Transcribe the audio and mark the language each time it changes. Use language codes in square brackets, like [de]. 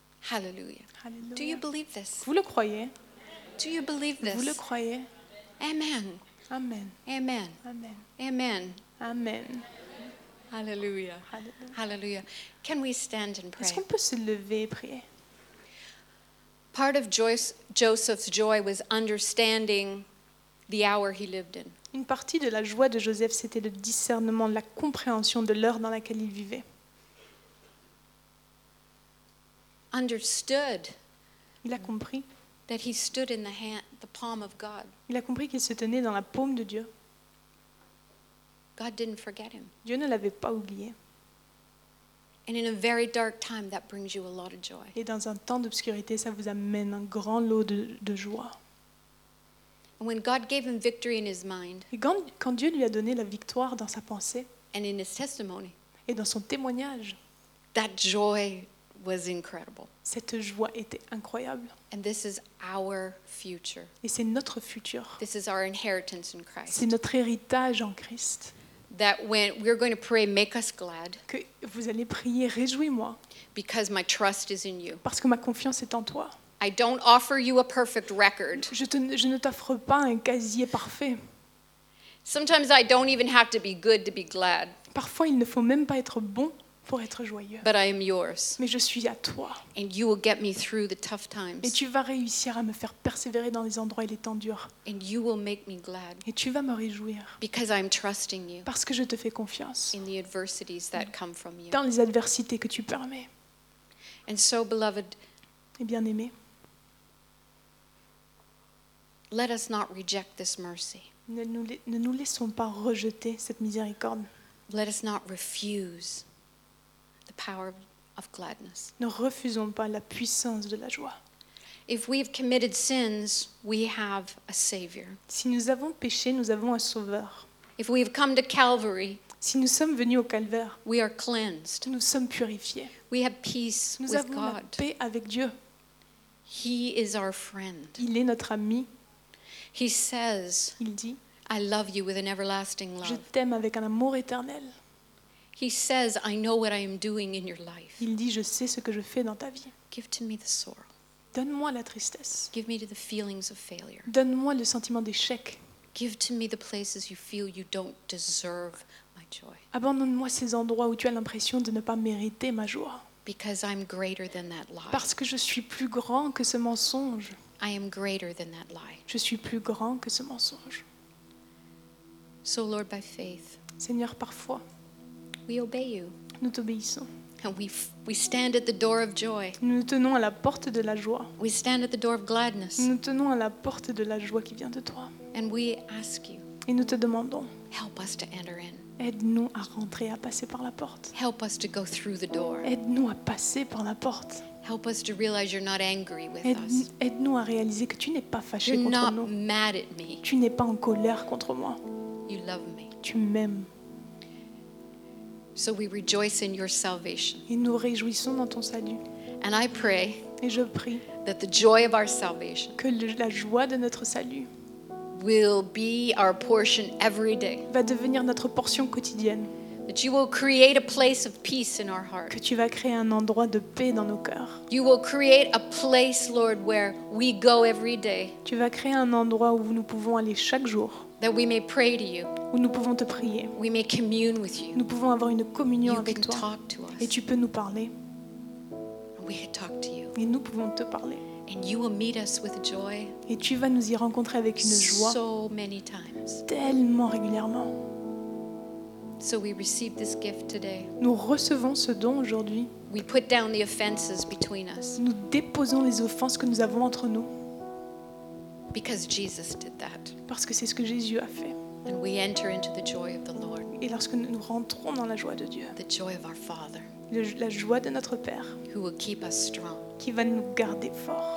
[en] Hallelujah. Do you believe this? [fr] Vous le croyez? [en] Do you believe this? [fr] Vous le croyez? Amen. Amen. Amen. Amen. Amen. Amen. Hallelujah. Hallelujah. [en] Can we stand and pray? [fr] Est-ce qu'on peut se lever et prier? [en] Part of Joseph's joy was understanding the hour he lived in. [fr] Une partie de la joie de Joseph, c'était le discernement, la compréhension de l'heure dans laquelle il vivait. [en] Understood. [fr] Il a compris. [en] That he stood in the palm of God. [fr] Il a compris qu'il se tenait dans la paume de Dieu. [en] God didn't forget him. [fr] Dieu ne l'avait pas oublié. [en] And in a very dark time, that brings you a lot of joy. [fr] Et dans un temps d'obscurité, ça vous amène un grand lot de joie. [en] And when God gave him victory in his mind. [fr] Et quand Dieu lui a donné la victoire dans sa pensée. [en] And in his testimony. [fr] Et dans son témoignage. [en] That joy. Was incredible. [fr] Cette joie était incroyable. [en] And this is our future. [fr] Et c'est notre futur. [en] This is our inheritance in Christ. [fr] C'est notre héritage en Christ. [en] That when we're going to pray, make us glad. [fr] Que vous allez prier, réjouis-moi. [en] Because my trust is in you. [fr] Parce que ma confiance est en toi. [en] I don't offer you a perfect record. [fr] Je ne t'offre pas un casier parfait. [en] Sometimes I don't even have to be good to be glad. [fr] Parfois, il ne faut même pas être bon pour être joyeux. [en] But I am yours. [fr] Mais je suis à toi. [en] And you will get me through the tough times. [fr] Et tu vas réussir à me faire persévérer dans les endroits et les temps durs. [en] And you will make me glad. [fr] Et tu vas me réjouir. [en] Because I am trusting you. [fr] Parce que je te fais confiance. [en] In the adversities that come from you. [fr] Dans les adversités que tu permets. [en] And so, beloved. [fr] Et bien aimé. [en] Let us not reject this mercy. [fr] Ne nous laissons pas rejeter cette miséricorde. [en] Let us not refuse the power of gladness. [fr] Ne refusons pas la puissance de la joie. [en] If we have committed sins, we have a savior. [fr] Si nous avons péché, nous avons un sauveur. [en] If we have come to Calvary, [fr] si nous sommes venus au calvaire, [en] we are cleansed. [fr] Nous sommes purifiés. [en] We have peace [fr] nous [en] with God. [fr] Nous avons la paix avec Dieu. [en] He is our friend. [fr] Il est notre ami. [en] He says, [fr] il dit, [en] I love you with an everlasting love. [fr] Je t'aime avec un amour éternel. [en] He says, I know what I am doing in your life. [fr] Il dit, je sais ce que je fais dans ta vie. [en] Give to me the sorrow. [fr] Donne-moi la tristesse. [en] Give me to the feelings of failure. [fr] Donne-moi le sentiment d'échec. [en] Give to me the places you feel you don't deserve my joy. [fr] Abandonne-moi ces endroits où tu as l'impression de ne pas mériter ma joie. [en] Because I'm greater than that lie. [fr] Parce que je suis plus grand que ce mensonge. [en] I am greater than that lie. [fr] Je suis plus grand que ce mensonge. [en] So Lord, by faith, [fr] Seigneur, par foi, [en] we obey you. [fr] Nous t'obéissons. [en] And we stand at the door of joy. [fr] Nous tenons à la porte de la joie. [en] We stand at the door of gladness. [fr] Nous tenons à la porte de la joie qui vient de toi. [en] And we ask you. [fr] Et nous te demandons. [en] Help us to enter in. [fr] Aide-nous à rentrer, à passer par la porte. [en] Help us to go through the door. [fr] Aide-nous à passer par la porte. [en] Help us to realize you're not angry with us. [fr] Aide-nous à réaliser que tu n'es pas fâché contre [en] You're not mad at me. [fr] Tu n'es pas en colère contre moi. [en] You love me. [fr] Tu m'aimes. [en] So we rejoice in your salvation. [fr] Et nous réjouissons dans ton salut. [en] And I pray. [fr] Et je prie. [en] That the joy of our salvation. [fr] Que la joie de notre salut. [en] Will be our portion every day. [fr] Va devenir notre portion quotidienne. [en] That you will create a place of peace in our heart. [fr] Que tu vas créer un endroit de paix dans nos cœurs. [en] You will create a place, Lord, where we go every day. [fr] Tu vas créer un endroit où nous pouvons aller chaque jour. [en] That we may pray to you. [fr] Où nous pouvons te prier. [en] We may commune with you. [fr] Nous pouvons avoir une communion [en] you [fr] avec [en] can [fr] toi. [en] Talk to us. [fr] Et tu peux nous parler. [en] We can talk to you. [fr] Et nous pouvons te parler. [en] And you will meet us with joy. [fr] Et tu vas nous y rencontrer avec une joie. [en] So many times. [fr] Tellement régulièrement. [en] So we receive this gift today. [fr] Nous recevons ce don aujourd'hui. [en] We put down the offenses between us. [fr] Nous déposons les offenses que nous avons entre nous. [en] Because Jesus did that. [fr] Parce que c'est ce que Jésus a fait. [en] And we enter into the joy of the Lord. [fr] Et lorsque nous rentrons dans la joie de Dieu. [en] The joy of our Father. [fr] La joie de notre Père. [en] Who will keep us strong. [fr] Qui va nous garder forts.